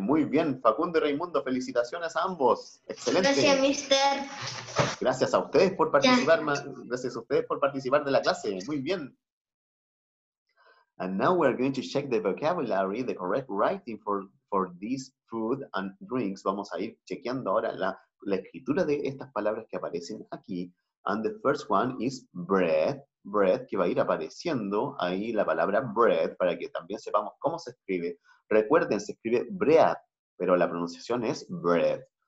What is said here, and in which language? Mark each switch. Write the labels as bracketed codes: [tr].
[es] Muy bien, Facundo y Raimundo, felicitaciones a ambos. Excelente. Gracias, mister. Gracias a ustedes por participar. Gracias a ustedes por participar de la clase. Muy bien. [en] And now we're going to check the vocabulary, the correct writing for this food and drinks. [es] Vamos a ir chequeando ahora la escritura de estas palabras que aparecen aquí. [en] And the first one is bread. [es] Bread, que va a ir apareciendo ahí la palabra bread, para que también sepamos cómo se escribe. Recuerden, se escribe bread, pero la pronunciación es bread.